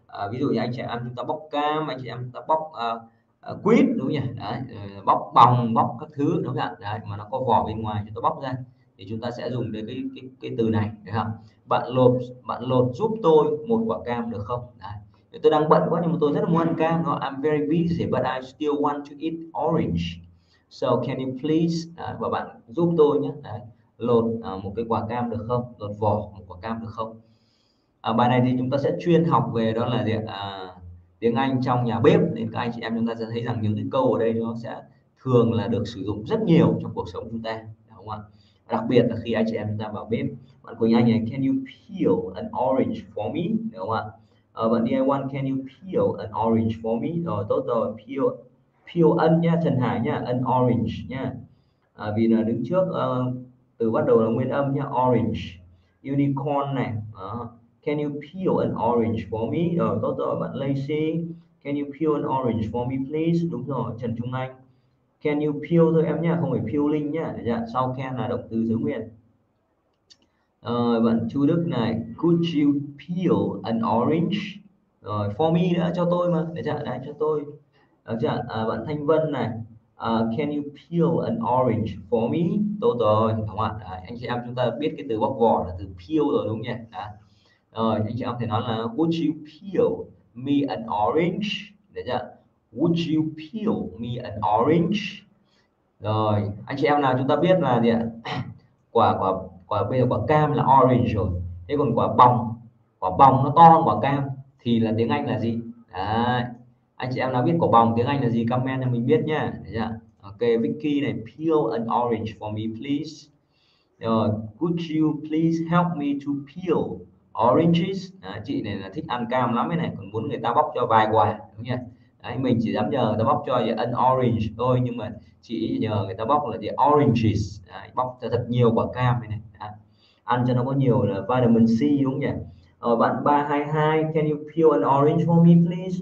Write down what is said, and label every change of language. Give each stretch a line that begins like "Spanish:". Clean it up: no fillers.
Vietnamese: Ví dụ như anh chị em chúng ta bóc cam, anh chị em chúng ta bóc quýt đúng không nhỉ? Đấy, bóc bòng, bóc các thứ đúng không ạ? Đấy, mà nó có vỏ bên ngoài chúng ta bóc ra thì chúng ta sẽ dùng đến cái từ này, được không? Bạn lột giúp tôi một quả cam được không? Đấy. Tôi đang bận quá nhưng mà tôi rất muốn ăn cam. Đó.
English: I'm very busy but I still want to eat orange. So can you please,
Vietnamese: đấy, và bạn giúp tôi nhé, đấy, lột một cái quả cam được không, lột vỏ một quả cam được không. Bài này thì chúng ta sẽ chuyên học về đó là gì? Tiếng Anh trong nhà bếp, nên các anh chị em chúng ta sẽ thấy rằng những cái câu ở đây nó sẽ thường là được sử dụng rất nhiều trong cuộc sống chúng ta, đúng không ạ? Đặc biệt là khi anh chị em chúng ta vào bếp, bạn của nhà anh này,
English: can you peel an orange for me,
Vietnamese: đúng không ạ?
English: Bạn DIY, can you peel an orange for me,
Vietnamese: rồi tốt rồi,
English: peel.
Vietnamese: Peel an nha Trần Hải nha,
English: an orange
Vietnamese: nha. Vì là đứng trước từ bắt đầu là nguyên âm nha, orange.
English: Unicorn này. Can you peel an orange for me?
Vietnamese: Rồi tốt rồi bạn Lacy.
English: Can you peel an orange for me please?
Vietnamese: Đúng rồi Trần Trung Anh.
English: Can you peel
Vietnamese: thôi em nha, không phải peeling nha. Được chưa? Sau can là động từ giữ nguyên.
English: Bạn Chu Đức này, could you peel an orange?
Vietnamese: Rồi for me nữa, cho tôi mà. Được chưa? Đấy, cho tôi. Được chưa?
English: Bạn Thanh Vân này, can you peel an orange for me?
Vietnamese: Tốt rồi, đúng không ạ? Anh chị em chúng ta biết cái từ bóc vỏ là từ peel rồi đúng không nhỉ? Đó. Rồi, anh chị em có thể nói là
English: would you peel me an orange?
Vietnamese: Được chưa?
English: Would you peel me an orange?
Vietnamese: Rồi, anh chị em nào chúng ta biết là gì ạ? Quả bây giờ quả cam là orange rồi. Thế còn quả bòng nó to hơn quả cam thì là tiếng Anh là gì? Đấy. Anh chị em nào biết quả bòng tiếng Anh là gì comment cho mình biết nhá.
English: Ok, Vicky này, peel an orange for me please. Rồi, could you please help me to peel oranges?
Vietnamese: À, chị này là thích ăn cam lắm ấy này, còn muốn người ta bóc cho vài quả đúng không nhỉ? Đấy, mình chỉ dám nhờ người ta bóc cho
English: an orange
Vietnamese: thôi, nhưng mà chị nhờ người ta bóc là gì, oranges. Đấy, bóc cho thật nhiều quả cam ấy này. Đấy, ăn cho nó có nhiều là vitamin C đúng không nhỉ?
English: Bạn 322, can you peel an orange for me please?